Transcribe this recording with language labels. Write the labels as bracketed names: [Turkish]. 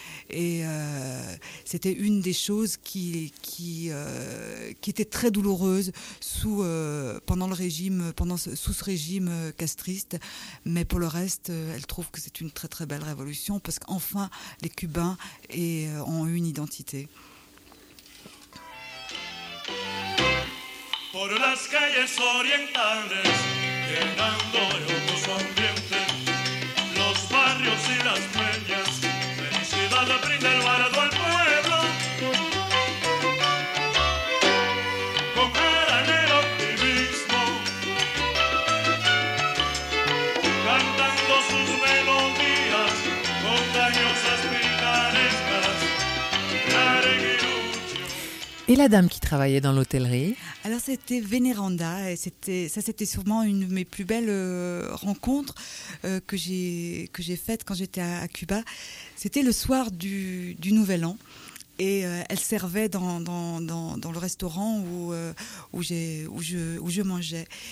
[French] Et c'était une des choses qui était très douloureuse sous ce régime castriste. Mais pour le reste, elle trouve que c'est une très très belle révolution, parce qu'enfin les Cubains ont une identité. [Spanish] Por las calles orientales, llenando de humo su ambiente, los barrios y las peñas. La brinda el varado al pueblo con gran optimismo, cantando sus melodías contagiosas, picarescas, larguiruchas. [French] Et la dame qui travaillait dans l'hôtellerie? Alors c'était Veneranda, et c'était sûrement une de mes plus belles rencontres que j'ai faites quand j'étais à Cuba. C'était le soir du Nouvel An, et elle servait dans le restaurant où je mangeais.